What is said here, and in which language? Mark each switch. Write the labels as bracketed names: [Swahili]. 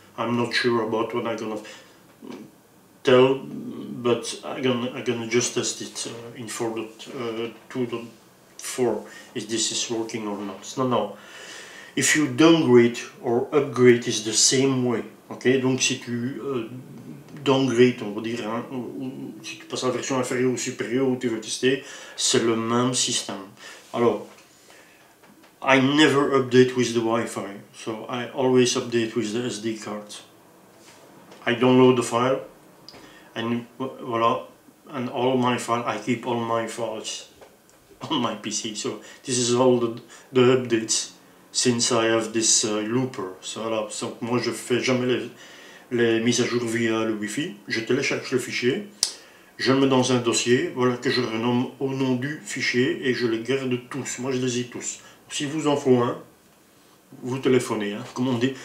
[English] I'm not sure about what I'm gonna tell, but I'm gonna just test it in 4.2.4, if this is working or not. No, no. If you downgrade or upgrade, is the same way. [French] Okay, donc si tu downgrade, on va dire, hein, ou si tu passes à la version inférieure ou supérieure, ou tu veux tester, c'est le même système. [English] Alors, I never update with the Wi-Fi, so I always update with the SD card. I download the file, and voilà, and all my files, I keep all my files on my PC. So this is all the updates since I have this looper. [French] So voilà, donc moi je fais jamais les mises à jour via le Wi-Fi. Je télécharge le fichier, je le mets dans un dossier, voilà, que je renomme au nom du fichier, et je les garde tous. Moi je les ai tous. Si vous en faut un, vous téléphonez, hein, comme on dit.